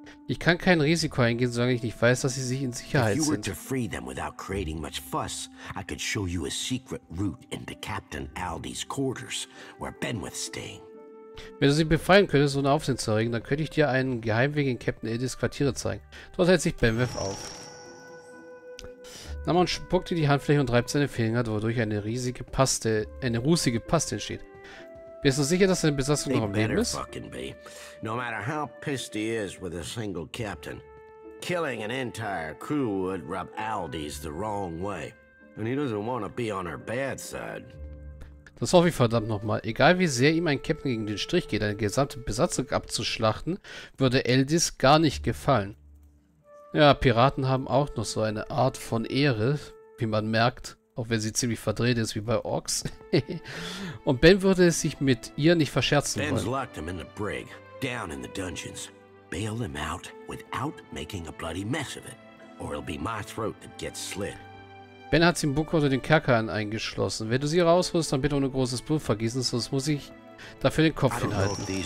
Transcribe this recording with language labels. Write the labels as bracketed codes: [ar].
[de] Ich kann kein Risiko eingehen, solange ich nicht weiß, dass sie sich in Sicherheit sind. [en] If you were to free them without creating much fuss, I could show you a secret route into Captain Aldi's quarters, where Benwith's staying. [de] Wenn du sie befreien könntest, ohne Aufsehen zu erregen, dann könnte ich dir einen Geheimweg in Captain Aldi's Quartiere zeigen. Dort hält sich Benwith auf. Na, man spuckt in die Handfläche und reibt seine Finger, wodurch eine riesige Paste, eine rußige Paste entsteht. Bist du sicher, dass deine Besatzung noch am Leben ist? Fucking be. [en] No matter how pissed he is with a single captain, killing an entire crew would rub Aldis the wrong way. And he doesn't want to be on our bad side. [de] Das hoffe ich verdammt nochmal. Egal wie sehr ihm ein Captain gegen den Strich geht, eine gesamte Besatzung abzuschlachten, würde Aldis gar nicht gefallen. Ja, Piraten haben auch noch so eine Art von Ehre, wie man merkt, auch wenn sie ziemlich verdreht ist, wie bei Orks. Und Ben würde es sich mit ihr nicht verscherzen [en] Ben's [de] wollen. [en] Locked him in the brig, down in the dungeons. Bail him out without making a bloody mess of it, or it'll be my throat that gets slit. [de] Ben hat sie im Bunker unter den Kerkern eingeschlossen. Wenn du sie rausholst, dann bitte ohne großes Blut vergießen, sonst muss ich dafür den Kopf hinhalten.